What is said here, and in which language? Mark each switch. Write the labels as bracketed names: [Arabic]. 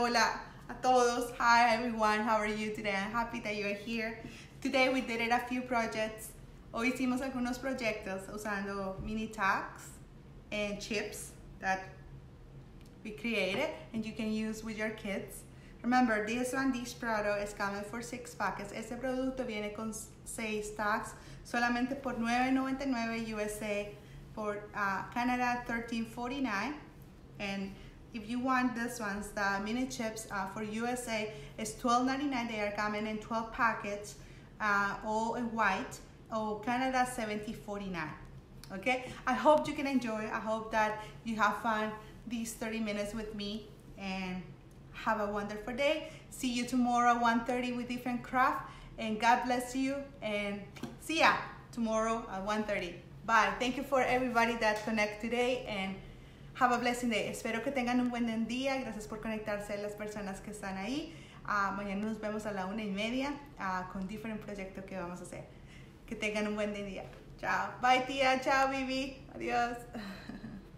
[Spanish] Hola a todos. [English] Hi, everyone. How are you today? I'm happy that you are here. Today, we did it a few projects. [Spanish] Hoy hicimos algunos proyectos usando mini tags [English] and chips that we created and you can use with your kids. Remember, this one, this product is coming for 6 packets. [Spanish] Este producto viene con 6 tags solamente por $9.99 USA. [English] For Canada, $13.49, and if you want this ones, the mini chips for USA is $12.99. They are coming in 12 packets, all in white. Oh, Canada, $17.49. Okay, I hope you can enjoy. I hope that you have fun these 30 minutes with me, and have a wonderful day. See you tomorrow 1:30 with different craft, and God bless you. And see ya tomorrow at 1:30. Bye. Thank you for everybody that connect today and have a blessing day. [Spanish] Espero que tengan un buen día. Gracias por conectarse a las personas que están ahí. Mañana nos vemos a la 1:30 con diferente proyecto que vamos a hacer. Que tengan un buen día. Chao. Bye, tía. Chao, Vivi. Adiós.